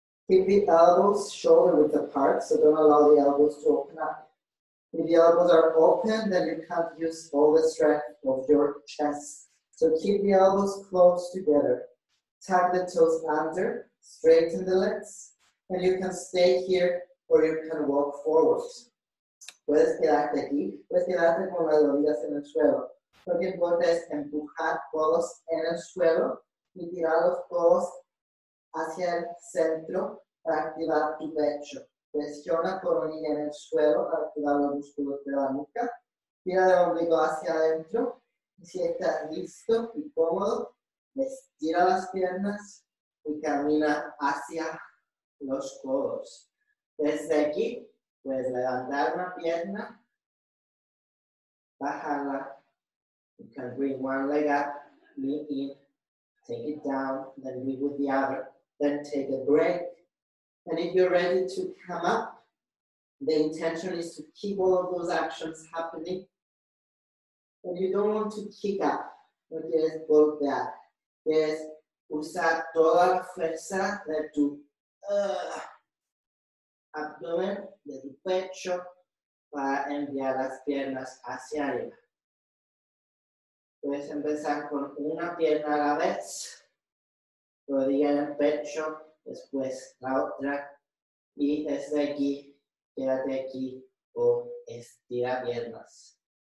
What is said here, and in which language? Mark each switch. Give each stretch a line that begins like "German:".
English: Keep the elbows shoulder width apart, so don't allow the elbows to open up. If the elbows are open, then you can't use all the strength of your chest. So keep the elbows close together. Tuck the toes under, straighten the legs, and you can stay here or you can walk forward.
Spanish: Puedes quedarte aquí, puedes quedarte con las rodillas en el suelo. Lo que importa es empujar codos en el suelo y tirar los codos hacia el centro para activar tu pecho. Presiona coronilla en el suelo para activar los músculos de la nuca. Tira el ombligo hacia adentro. Y si estás listo y cómodo, estira las piernas y camina hacia los codos. Desde aquí, puedes levantar una pierna, bajarla.
English: You can bring one leg up, knee in, take it down, then knee with the other, then take a break. And if you're ready to come up, the intention is to keep all of those actions happening. And you don't want to kick up,
Spanish: no quieres golpear. Quieres usar toda la fuerza de tu abdomen, de tu pecho, para enviar las piernas hacia arriba. Puedes empezar con una pierna a la vez, rodilla en el pecho, después la otra, y desde aquí, quédate aquí o estira piernas.